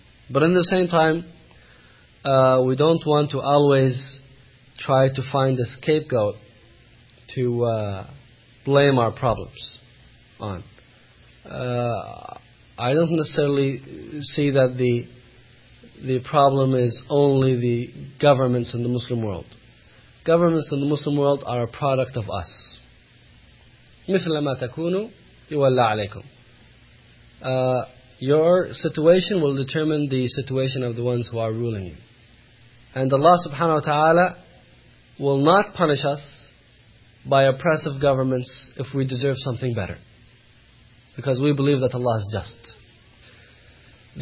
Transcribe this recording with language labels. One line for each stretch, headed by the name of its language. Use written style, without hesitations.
English: But in the same time, we don't want to always try to find a scapegoat to blame our problems on. I don't necessarily see that the problem is only the governments in the Muslim world. Governments in the Muslim world are a product of us.
Arabic: مثل ما تكونوا يولى عليكم.
English: Your situation will determine the situation of the ones who are ruling you. And Allah subhanahu wa ta'ala will not punish us by oppressive governments if we deserve something better, because we believe that Allah is just.